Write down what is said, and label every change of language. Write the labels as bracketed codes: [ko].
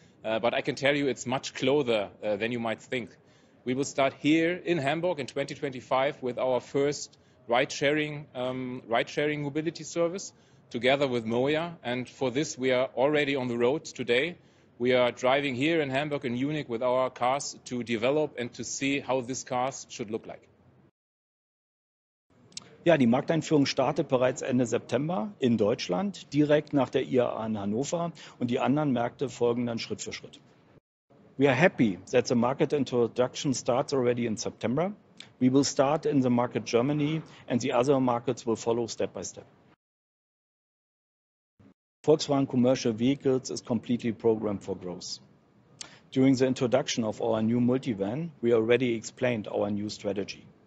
[en] But I can tell you it's much closer than you might think. We will start here in Hamburg in 2025 with our first ride-sharing mobility service together with Moya. And for this, we are already on the road today. We are driving here in Hamburg and Munich with our cars to develop and to see how these cars should look like. [de] Ja, die Markteinführung startet bereits Ende September in Deutschland, direkt nach der IAA in Hannover, und die anderen Märkte folgen dann Schritt für Schritt. [en] We are happy that the market introduction starts already in September. We will start in the market Germany and the other markets will follow step by step. Volkswagen Commercial Vehicles is completely programmed for growth. During the introduction of our new multivan, we already explained our new strategy.